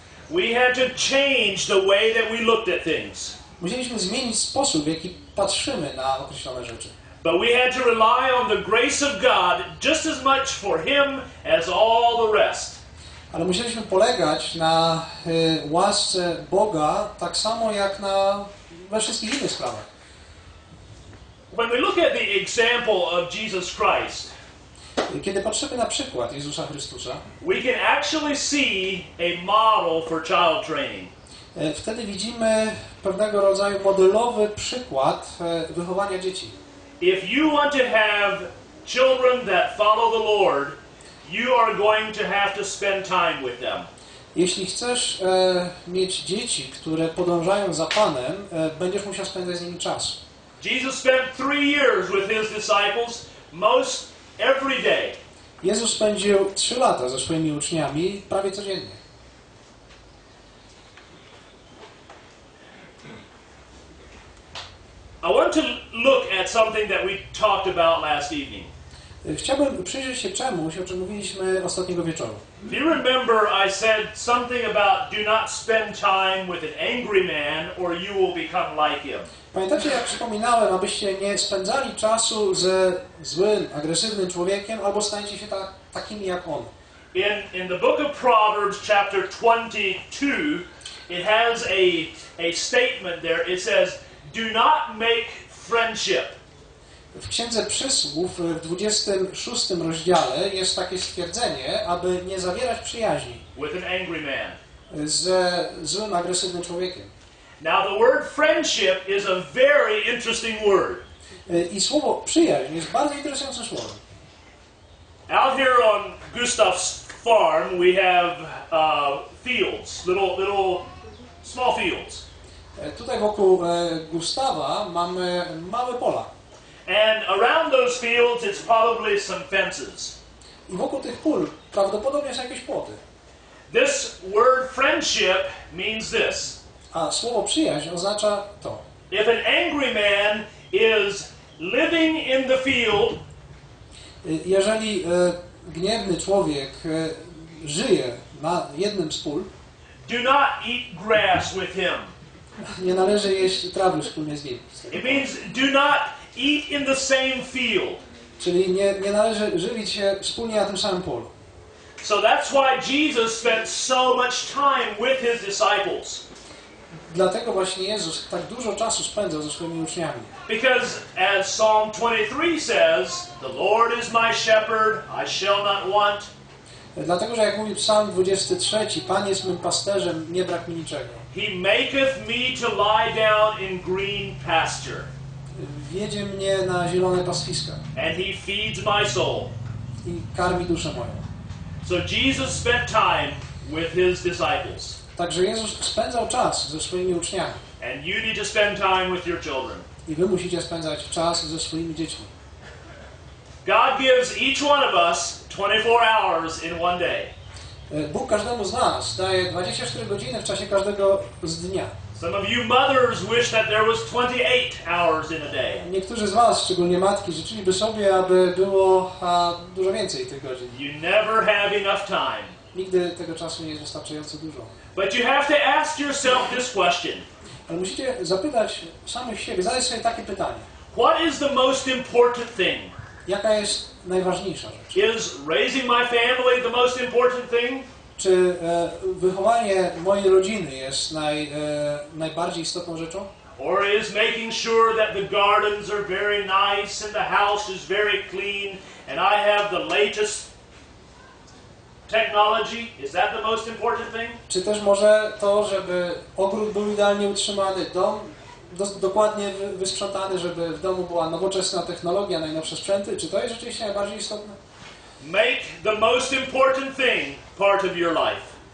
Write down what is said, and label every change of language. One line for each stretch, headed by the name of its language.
English: We had to change the way that we looked at things.
Polish: Musieliśmy zmienić sposób, w jaki patrzymy na określone rzeczy.
English: But we had to rely on the grace of God just as much for him as all the rest.
Polish: Ale musieliśmy polegać na łasce Boga tak samo jak na we wszystkich innych sprawach.
English: When we look at the example of Jesus Christ,
Polish: kiedy patrzymy na przykład Jezusa Chrystusa,
English: we can actually see a model for child training.
Polish: Wtedy widzimy pewnego rodzaju modelowy przykład wychowania dzieci.
English: If you want to have children that follow the Lord, you are going to have to spend time with them.
Polish: Jeśli chcesz mieć dzieci, które podążają za Panem, będziesz musiał spędzać z nimi czas.
English: Jesus spent 3 years with his disciples, most every day.
Polish: Jezus spędził 3 lata ze swoimi uczniami prawie codziennie.
English: I want to look at something that we talked about last evening.
Polish: Chciałbym przyjrzeć się czemuś, o czym mówiliśmy ostatniego wieczoru.
English: Do you remember I said something about do not spend time with an angry man or you will become like him?
Polish: Pamiętacie, jak przypominałem, abyście nie spędzali czasu ze złym, agresywnym człowiekiem, albo staniecie się takimi jak on.
English: In the book of Proverbs, chapter 22, it has a statement there. It says, do not make friendship.
Polish: W Księdze Przysłów, w 26 rozdziale, jest takie stwierdzenie, aby nie zawierać przyjaźni
English: with an angry man.
Polish: Ze złym, agresywnym człowiekiem.
English: Now the word friendship is a very interesting word.
Polish: I słowo przyjaźń jest bardzo interesującym słowem.
English: Out here on Gustav's farm we have fields, little small fields.
Polish: Tutaj wokół Gustawa mamy małe pola.
English: And around those fields it's probably some fences.
Polish: I wokół tych pól prawdopodobnie są jakieś płoty.
English: This word friendship means this.
Polish: A słowo przyjaźń oznacza to.
English: If an angry man is living in the field,
Polish: jeżeli gniewny człowiek żyje na jednym z pól,
English: do not eat grass with him.
Polish: Nie należy jeść trawy wspólnie z nim.
English: It means do not eat in the same field.
Polish: Czyli nie należy żywić się wspólnie na tym samym polu.
English: So that's why Jesus spent so much time with his disciples.
Polish: Dlatego właśnie Jezus tak dużo czasu spędzał ze swoimi uczniami.
English: Because as Psalm 23 says, the Lord is my shepherd, I shall not want.
Polish: Dlatego, że jak mówi Psalm 23, Pan jest mym pasterzem, nie brak mi niczego.
English: He maketh me to lie down in green pasture.
Polish: Wiedzie mnie na zielone pastwiska.
English: And he feeds my soul.
Polish: I karmi duszę moją.
English: So Jesus spent time with his disciples.
Polish: Także Jezus spędzał czas ze swoimi uczniami.
English: And you need to spend time with your children.
Polish: I wy musicie spędzać czas ze swoimi dziećmi.
English: God gives each one of us 24 hours in one day.
Polish: Bóg każdemu z nas daje 24 godziny w czasie każdego z dnia.
English: Some of you mothers wish that there was 28 hours in a day.
Polish: Niektórzy z was, szczególnie matki, życzyliby sobie, aby było dużo więcej tych godzin.
English: You never have enough time.
Polish: Nigdy tego czasu nie jest wystarczająco dużo.
English: But you have to ask yourself this question.
Polish: Ale musicie zapytać samych siebie, zadać sobie takie pytanie.
English: What is the most important thing?
Polish: Jaka jest najważniejsza rzecz?
English: Is raising my family the most important thing?
Polish: Czy wychowanie mojej rodziny jest najbardziej istotną rzeczą?
English: Or is making sure that the gardens are very nice and the house is very clean and I have the latest technology, is that the most important thing?
Polish: Czy też może to, żeby ogród był idealnie utrzymany, dom dokładnie wysprzątany, żeby w domu była nowoczesna technologia, najnowsze sprzęty, czy to jest rzeczywiście najbardziej istotne?
English: Make the most important thing part of your life.